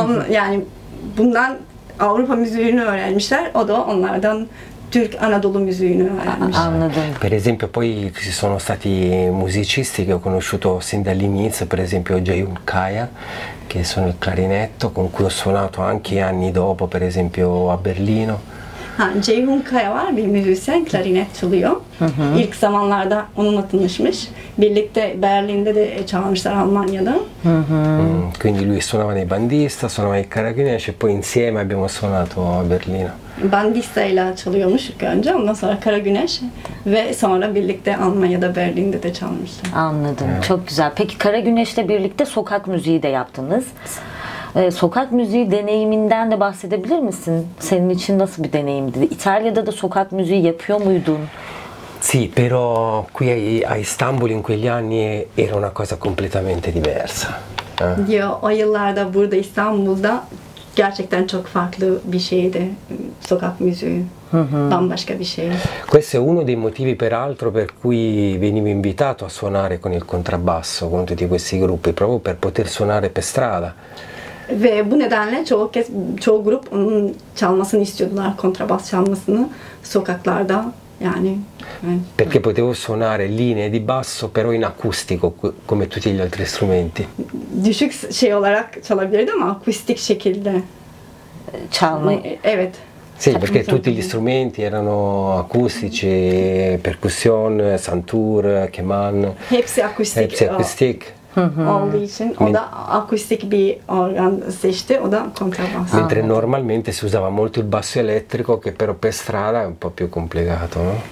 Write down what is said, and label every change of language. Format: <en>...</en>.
<tr>Yani bundan Avrupa müziğini öğrenmişler. O da onlardan Türk Anadolu müziğini öğrenmiş. Anladım.</tr> <it>Per esempio poi ci sono stati musicisti che ho conosciuto sin dall'inizio, per esempio Jayun Kaya, che suona il clarinetto, con cui ho suonato anche anni dopo, per esempio a Berlino.</it> <tr>Ha, Jayun Kaya var bir müzisyen, klarinet çalıyor. Hı-hı. İlk zamanlarda onunla tanışmış. Birlikte Berlin'de de çalmışlar Almanya'da.</tr> <it>Quindi lui suonava nei Bandista, suonava i Carabinieri e poi insieme abbiamo suonato a Berlino.</it> <tr>Bandista ile çalıyormuş ilk önce, ondan sonra Kara Güneş ve sonra birlikte Almanya'da, Berlin'de de çalmışlar. Anladım, evet. Çok güzel. Peki Kara Güneş'le birlikte sokak müziği de yaptınız. Sokak müziği deneyiminden de bahsedebilir misin? Senin için nasıl bir deneyimdi? İtalya'da da sokak müziği yapıyor muydun?</tr> <it>Sì, però qui a Istanbul in quegli anni era una cosa completamente diversa.</it> <tr>Yo, o yıllarda burada İstanbul'da gerçekten çok farklı bir şeydi sokak müziği. Bambaşka bir şey.</tr> <it>Questo è uno dei motivi peraltro per cui venivo invitato a suonare con il contrabbasso con tutti questi gruppi, proprio per poter suonare per strada.</it> <tr>Ve bu nedenle çoğu kez çoğu grup onun çalmasını istiyordular, kontrabas çalmasını sokaklarda yani.</tr> <it>Perché potevo suonare linee di basso però in acustico come tutti gli altri strumenti.</it> <tr>Düşük şey olarak çalabilirdim ama akustik şekilde çalmayı. Evet.</tr> <it>Sì, perché tutti gli strumenti erano acustici, percussion, santur, keman.</it> <tr>Hepsi akustik. Hepsi akustik. Olduğu için o da akustik bir organ seçti, o da kontrabas.</tr> <it>Mentre normalmente si usava molto il basso elettrico, che però per strada è un po' più complicato, no?</it>